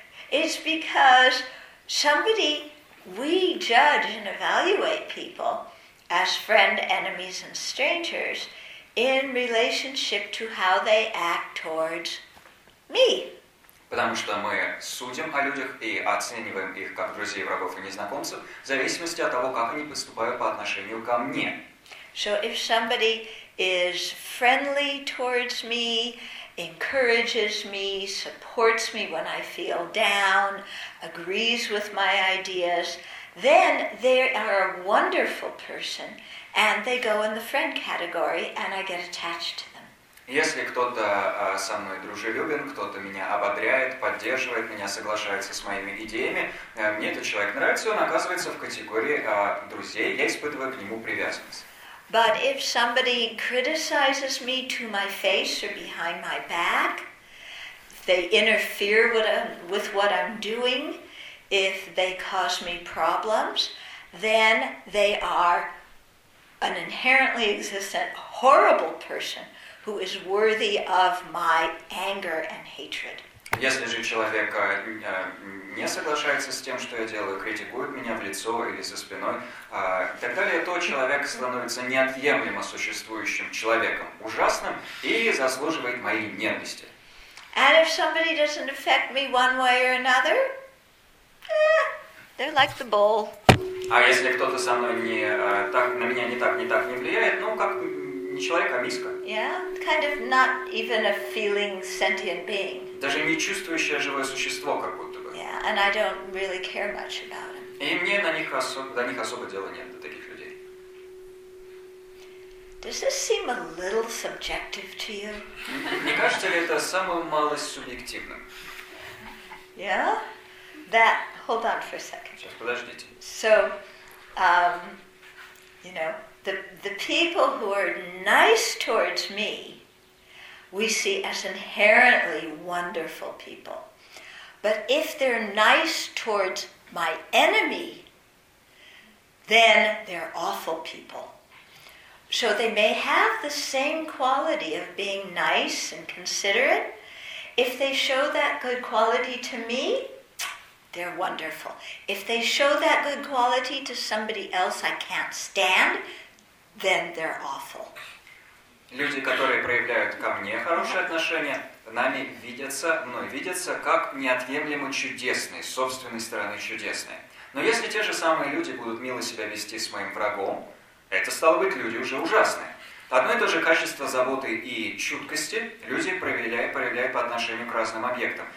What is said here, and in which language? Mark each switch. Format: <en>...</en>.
<en>It's because somebody, we judge and evaluate people as friend, enemies, and strangers in relationship to how they act towards me.</en> <ru>Потому что мы судим о людях и оцениваем их как друзей, врагов и незнакомцев в зависимости от того, как они поступают по отношению ко мне.</ru> <en>So if somebody is friendly towards me, encourages me, supports me when I feel down, agrees with my ideas, then they are a wonderful person and they go in the friend category and I get attached to them.</en> <ru>Если кто-то со мной дружелюбен, кто-то меня ободряет, поддерживает меня, соглашается с моими идеями, мне этот человек нравится, он оказывается в категории друзей, я испытываю к нему привязанность.</ru> <en>But if somebody criticizes me to my face or behind my back, if they interfere with what I'm doing, if they cause me problems, then they are an inherently existent, horrible person who is worthy of my anger and hatred.</en> <ru>Если же человек не соглашается с тем, что я делаю, критикует меня в лицо или за спиной, тогда ли то человек становится неотъемлемо существующим человеком, ужасным и заслуживает моей ненависти.</ru> <en>And if somebody doesn't affect me one way or another, they're like the bull.</en> <ru>А если кто-то со мной не так на меня не так не влияет, ну как не человек, а миска.</ru> <en>Yeah, kind of not even a feeling sentient being.</en> <ru>Даже не чувствующее живое существо, как будто бы.</ru> <en>Yeah, and I don't really care much about him.</en> <ru>И мне до них особо дела нет, до таких людей.</ru> <en>Does this seem a little subjective to you?</en> <ru>Не кажется ли это самую малость субъективным?</ru> <en>Yeah? That, hold on for a second.</en> <ru>Сейчас, подождите.</ru> <en>So, you know, the people who are nice towards me, we see as inherently wonderful people. But if they're nice towards my enemy, then they're awful people. So they may have the same quality of being nice and considerate. If they show that good quality to me, they're wonderful. If they show that good quality to somebody else I can't stand, then they're awful.</en> <ru>Люди, которые проявляют ко мне хорошие отношения, нами видятся, мной видятся, как неотъемлемо чудесные, с собственной стороны чудесные. Но если те же самые люди будут мило себя вести с моим врагом, это, стало быть, люди уже ужасные. Одно и то же качество заботы и чуткости люди проявляют по отношению к разным объектам.</ru>